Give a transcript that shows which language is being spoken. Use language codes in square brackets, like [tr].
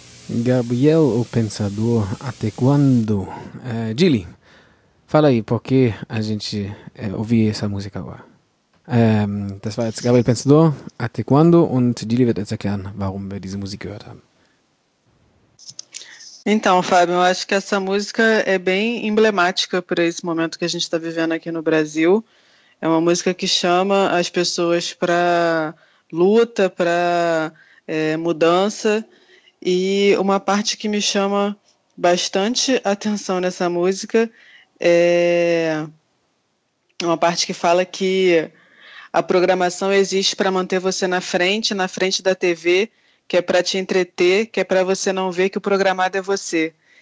[pt] Gabriel, o pensador, até quando? Gilly, fala aí, por que a gente ouviu essa música agora? [de] Das war jetzt Gabriel, pensador, até quando? Und Gilly wird jetzt erklären, warum wir diese Musik gehört haben. [pt] Então, Fábio, eu acho que essa música é bem emblemática para esse momento que a gente está vivendo aqui no Brasil. É uma música que chama as pessoas para luta, para mudança. E uma parte que me chama bastante atenção nessa música é uma parte que fala que a programação existe para manter você na frente da TV, que é para te entreter, que é para você não ver que o programado é você.